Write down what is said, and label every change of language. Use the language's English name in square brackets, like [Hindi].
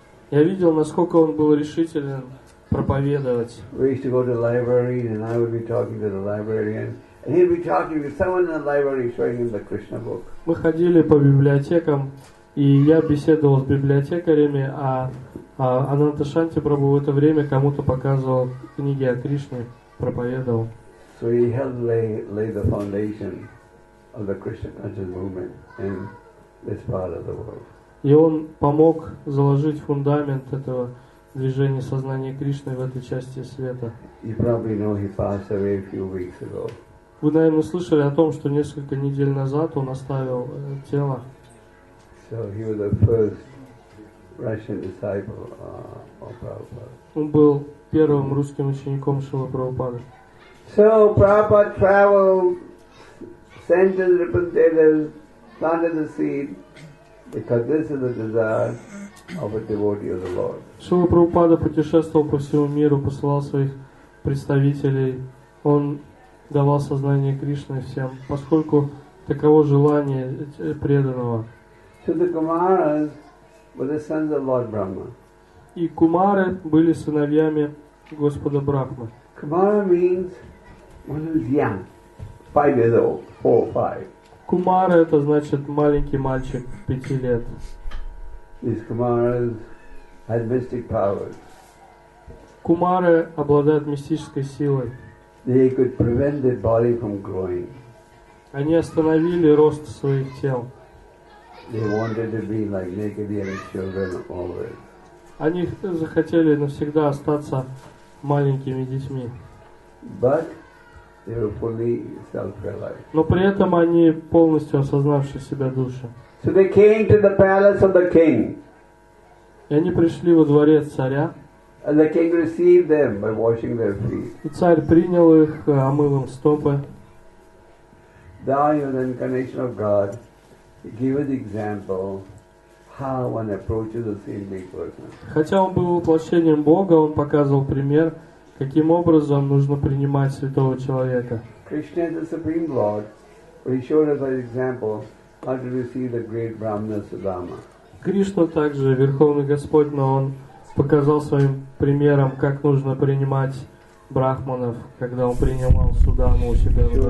[Russian] Я видел, насколько он был решителен проповедовать. Мы ходили по библиотекам, И я беседовал с библиотекарями, а Ананта Шанти Прабху в это время кому-то показывал книги о Кришне, проповедовал. [English] So he helped lay the foundation of the Krishna consciousness movement in this part of the world. [Russian] И он помог заложить фундамент этого движения сознания Кришны в этой части света. [English] You probably know he passed away a few weeks ago. [Russian] Вы, наверное, слышали о том, что несколько недель назад он оставил тело. [English] So he was the first Russian disciple of Prabhupada. [Russian] Он был первым русским учеником Шрилы Прабхупады. [English] So Prabhupada traveled, sent to the Rupantetas, planted the seed, because this is the desire of a devotee of the Lord. [Russian] Шрила Прабхупада путешествовал по всему миру, посылал своих представителей. Он давал сознание Кришны всем, поскольку таково желание преданного. [English] So the Kumaras were the sons of Lord Brahma. [Russian] И Кумары были сыновьями Господа Брахмы. [English] Kumara means one who's young, 5 years old, 4 or 5. [Russian] Кумара — это значит маленький мальчик, 5 лет. [English] These Kumaras had mystic powers. [Russian] Кумары обладают мистической силой. [English] They could prevent their body from growing. [Russian] Они остановили рост своих тел. [English] They wanted to be like naked young children always. [Russian] Они захотели навсегда остаться маленькими детьми. [English] But they were fully self-realized. [Russian] Но при этом они полностью осознавшие себя души. [English] So they came to the palace of the king. [Russian] И они пришли во дворец царя. [English] And the king received them by washing their feet. [Russian] И царь принял их, омыл им стопы. [English] Dayu, the incarnation of God, gave an example how one approaches a sainted person. [Russian] Хотя он был воплощением Бога, он показывал пример, каким образом нужно принимать святого человека. [English] Krishna is the supreme Lord, but he showed us by example how to receive the great Brahmana Sudama. [Russian] Кришна также верховный Господь, но он показал своим примером, как нужно принимать брахманов, когда он принимал Судаму у себя.